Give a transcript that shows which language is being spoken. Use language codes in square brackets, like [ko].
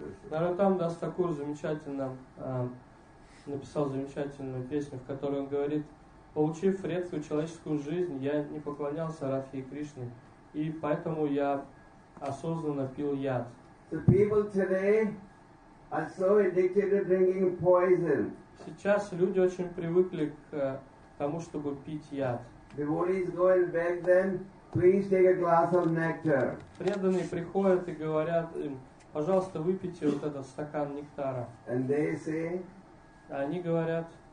[ru] Наратам Дас Такур замечательно написал замечательную песню, в которой он говорит: получив редкую человеческую жизнь, я не поклонялся Радхе и Кришне, и поэтому я осознанно пил яд. [en] The people today are so addicted to drinking poison. [ru] Сейчас люди очень привыкли к тому, чтобы пить яд. [en] The devotees go and beg them. Please take a glass of nectar. [ru] Преданные приходят и говорят им: пожалуйста, выпейте вот этот стакан нектара. [en] And they say, [ru] они говорят: